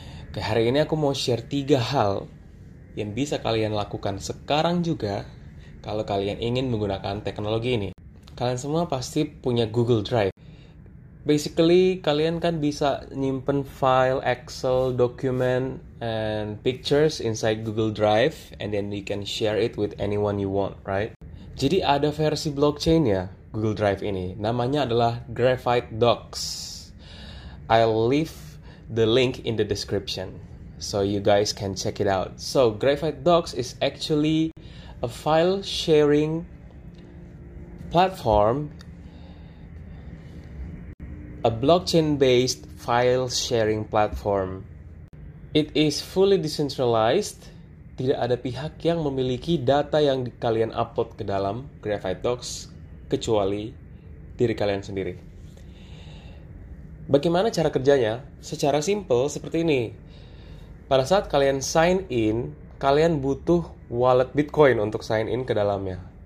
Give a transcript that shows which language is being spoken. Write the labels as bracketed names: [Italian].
[Indonesian] Oke, hari ini aku mau share 3 hal yang bisa kalian lakukan sekarang juga kalau kalian ingin menggunakan teknologi ini. Kalian semua pasti punya Google Drive. [English] Basically, [Indonesian] kalian kan bisa nyimpen file, [English] Excel, document, and pictures inside Google Drive, and then you can share it with anyone you want, right? [Indonesian] Jadi ada versi blockchain-nya Google Drive ini. Namanya adalah Graphite Docs. [English] I'll leave the link in the description, so you guys can check it out. So, Graphite Docs is actually a file sharing platform, a blockchain-based file sharing platform. It is fully decentralized. [Indonesian] Tidak ada pihak yang memiliki data yang kalian upload ke dalam Graphite Docs kecuali diri kalian sendiri. Bagaimana cara kerjanya? Secara simple seperti ini. Pada saat kalian sign in, kalian butuh wallet Bitcoin untuk sign in ke dalamnya.